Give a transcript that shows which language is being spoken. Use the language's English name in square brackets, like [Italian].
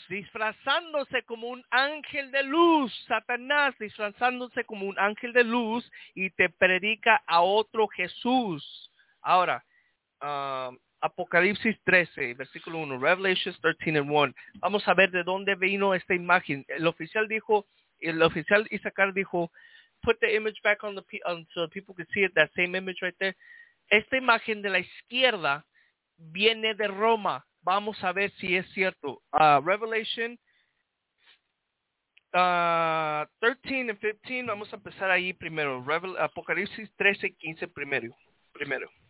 [Spanish] disfrazándose como un ángel de luz, Satanás disfrazándose como un ángel de luz y te predica a otro Jesús. Ahora, Apocalipsis 13, versículo 1, [English] Revelation 13 and 1. [Spanish] Vamos a ver de dónde vino esta imagen. El oficial Issachar dijo, [English] put the image back on the so the people can see it, that same image right there. [Spanish] Esta imagen de la izquierda viene de Roma. Vamos a ver si es cierto. [English] Revelation 13 and 15. [Spanish] Vamos a empezar ahí primero. Apocalipsis 13 y 15 primero.